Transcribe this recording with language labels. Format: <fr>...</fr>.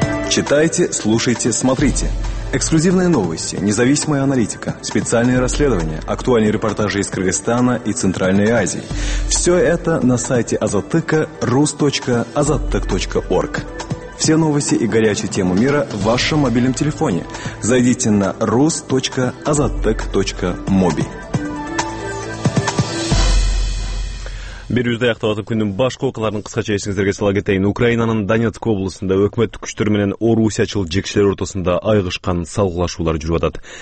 <ru>Читайте, слушайте, смотрите. Эксклюзивные новости, независимая аналитика, специальные расследования, актуальные репортажи из Кыргызстана и Центральной Азии. Все это на сайте Азаттыка rus.azattyk.org. Все новости и горячие темы мира в вашем мобильном телефоне. Зайдите на rus.azattyk.mobi.</ru> <ky>Берүүбүздү аяктап атып, күндүн башкы окуяларын кыскача эсиңиздерге сала кетейин. Украинанын Донецк облусунда өкмөттүк күчтөр менен орусиячыл жекчилер ортосунда айгышкан салгылашуулар жүрүп атат.</ky>